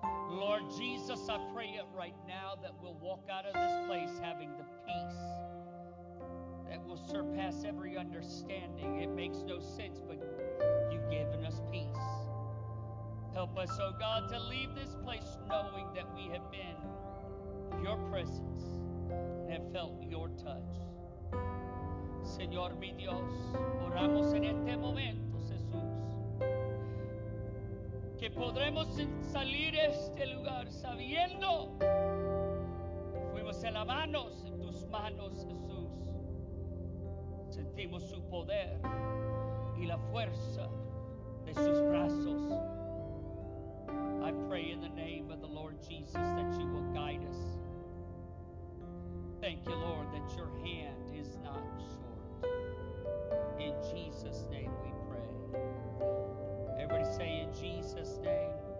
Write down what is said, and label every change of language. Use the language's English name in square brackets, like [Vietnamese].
[English] Lord Jesus, I pray it right now that we'll walk out of this place having the peace that will surpass every understanding. It makes no sense, but you've given us peace. Help us, oh God, to leave this place knowing that we have been in your presence and have felt your touch. [Spanish] Señor mi Dios, oramos en este momento, Jesús, que podremos salir de este lugar sabiendo que fuimos lavados en tus manos, Jesús. Sentimos su poder y la fuerza de sus brazos. [English] I pray in the name of the Lord Jesus that you will guide us. Thank you, Lord, that your hand is not short. In Jesus' name we pray. Everybody say, in Jesus' name.